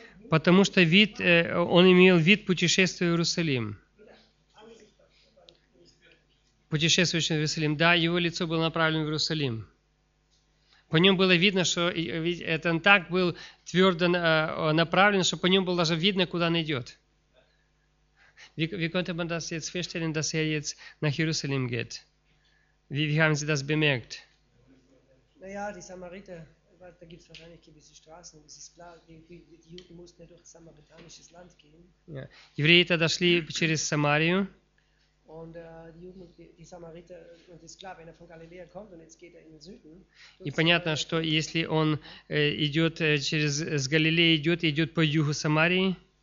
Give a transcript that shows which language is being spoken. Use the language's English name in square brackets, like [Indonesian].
[Russian] Потому что вид, он имел вид путешествия в Иерусалим. Путешествующий в Иерусалим. Да, его лицо было направлено в Иерусалим. По нем было видно, что это он так был твердо направлен, что по нем было даже видно, куда он идет. [German] Wie konnte man das jetzt feststellen, dass er jetzt nach Jerusalem geht? Wie haben Sie das bemerkt? Naja, die Samariter, da gibt es wahrscheinlich gewisse Straßen, das ist klar, die Juden mussten ja durch das samaritanisches Land gehen. Ja. [Russian] Евреи тогда шли через Самарию. [German] Und die Juden, die Samariter, und es ist klar, wenn von Galiläa kommt und jetzt geht in den Süden. [Russian] И понятно, что если он идет через с Галилеи идет по югу Самарии,